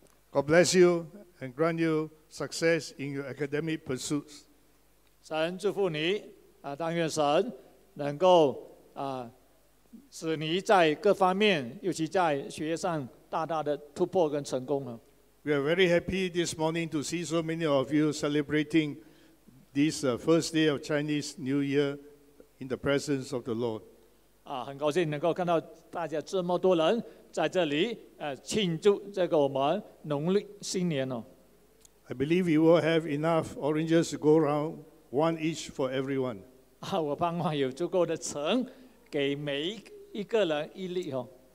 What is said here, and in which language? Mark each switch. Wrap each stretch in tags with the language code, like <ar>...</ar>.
<en>God bless you and grant you success in your academic pursuits.</en> <zh>神祝福你但愿神能够使你在各方面，尤其在学业上大大的突破跟成功。 We are</zh> <en>very happy this morning to see so many of you celebrating this first day of Chinese New Year in the presence of the Lord.</en> <zh>很高兴能够看到大家这么多人在这里庆祝这个我们农历新年哦。</zh> <en>I believe we will have enough oranges to go around. One each for everyone.</en> <zh>我盼望有足够的橙给每一个人一粒哦。</zh>